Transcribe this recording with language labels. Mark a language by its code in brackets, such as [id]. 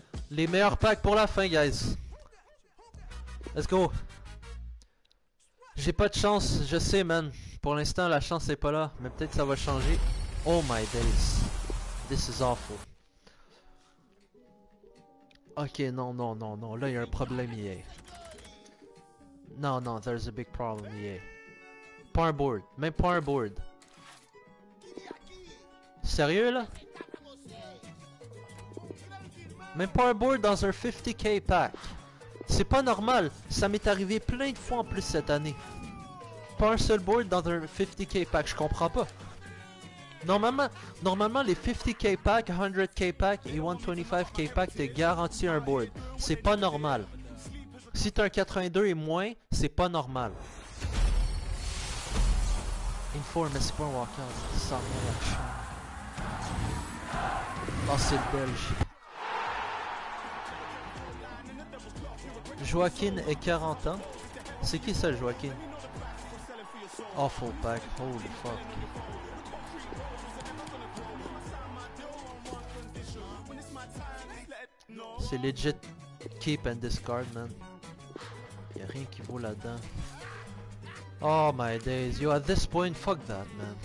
[fr] Les meilleurs packs pour la fin, guys. [en] Let's go. [fr] J'ai pas de chance, je sais, man. Pour l'instant, la chance est pas là. Mais peut-être ça va changer. [en] Oh my days. This is awful. [fr] Ok, non, là y'a un problème EA. [en] Non, there's a big problem EA. [fr] Pas un board, même pas un board. Sérieux là? Même pas un board dans un 50k pack. C'est pas normal, ça m'est arrivé plein de fois en plus cette année. Pas un seul board dans un 50k pack, je comprends pas. Normalement, les 50k packs, 100k packs et 125k packs, t'es garanti un board. C'est pas normal. Si t'as un 82 et moins, c'est pas normal. Inform, mais c'est pas un walkout. Ça rien la chance. Oh, c'est le belge. Joaquin est 40 ans. C'est qui ça, Joaquin? [en] Awful pack, holy fuck. [fr] C'est legit keep and discard, man. Y'a rien qui vaut là-dedans. [en] Oh my days, yo, at this point, fuck that, man.